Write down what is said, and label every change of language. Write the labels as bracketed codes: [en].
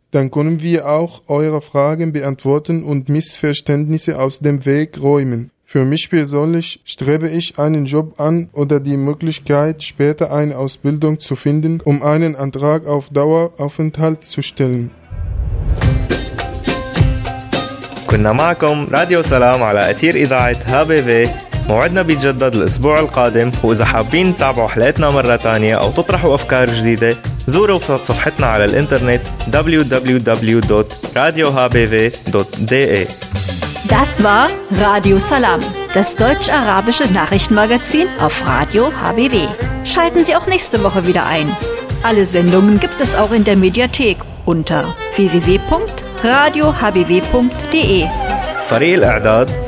[de] Dann können wir auch eure Fragen beantworten und Missverständnisse aus dem Weg räumen. Für mich persönlich strebe ich einen Job an oder die Möglichkeit, später eine Ausbildung zu finden, um einen Antrag auf Daueraufenthalt zu stellen. [ar] كنا معكم راديو سلام على أثير إذاعة HBV. موعدنا بيتجدد الأسبوع القادم، وإذا حابين تتابعوا حلقتنا مرة تانية أو تطرحوا أفكار جديدة، زوروا صفحتنا على الإنترنت www.radiohbw.de. [de] Das war Radio Salam, das deutsch-arabische Nachrichtenmagazin auf Radio HBW. Schalten Sie auch nächste Woche wieder ein. Alle Sendungen gibt es auch in der Mediathek unter www.radiohbw.de. Fareel Adad.